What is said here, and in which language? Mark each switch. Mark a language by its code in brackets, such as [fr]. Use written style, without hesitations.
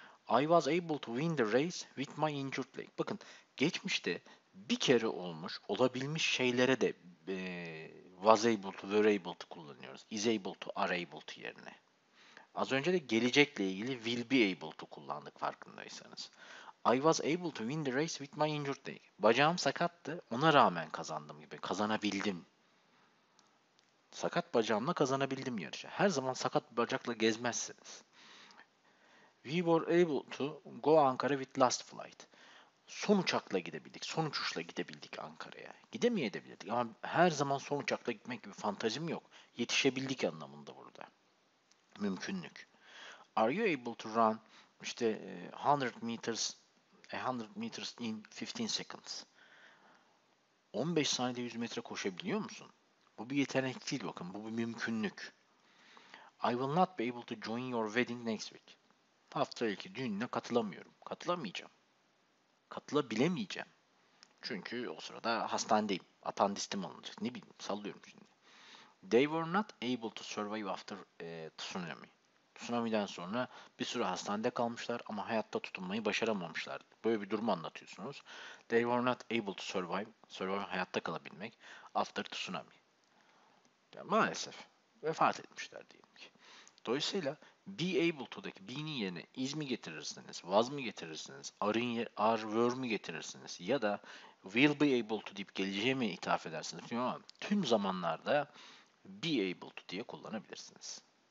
[en] I was able to win the race with my injured leg. [tr] Bakın, geçmişte bir kere olmuş, olabilmiş şeylere de [en] was able to, were able to [tr] kullanıyoruz. [en] Is able to, are able to [tr] yerine. Az önce de gelecekle ilgili [en] will be able to [tr] kullandık farkındaysanız. [en] I was able to win the race with my injured leg. [tr] Bacağım sakattı, ona rağmen kazandım gibi. Kazanabildim. Sakat bacağımla kazanabildim yarışı. Her zaman sakat bir bacakla gezmezsiniz. [en] We were able to go Ankara with last flight. [tr] Son uçakla gidebildik, son uçuşla gidebildik Ankara'ya. Gidemeyebilirdik ama her zaman son uçakla gitmek gibi fantazim yok. Yetişebildik anlamında burada. Mümkünlük. [en] Are you able to run [tr] işte [en] 100 meters in 15 seconds? [tr] 15 saniyede 100 metre koşabiliyor musun? Bu bir yetenek değil bakın, bu bir mümkünlük. [en] I will not be able to join your wedding next week. [tr] Hafta iki düğününe katılamıyorum. Katılamayacağım. Katılabilemeyeceğim. Çünkü o sırada hastanedeyim. Apandisitim alınacak. Ne bileyim, sallıyorum şimdi. [en] They were not able to survive after tsunami. [tr] Tsunami'den sonra bir süre hastanede kalmışlar ama hayatta tutunmayı başaramamışlar. Böyle bir durumu anlatıyorsunuz. [en] They were not able to survive. [tr] Survive, hayatta kalabilmek. [en] After tsunami. [tr] Yani maalesef vefat etmişler diyelim ki. Dolayısıyla be able to'daki be'nin yerine is mi getirirsiniz, was mı getirirsiniz, are were mi getirirsiniz ya da will be able to deyip geleceğe mi ithaf edersiniz? Ama tüm zamanlarda be able to diye kullanabilirsiniz.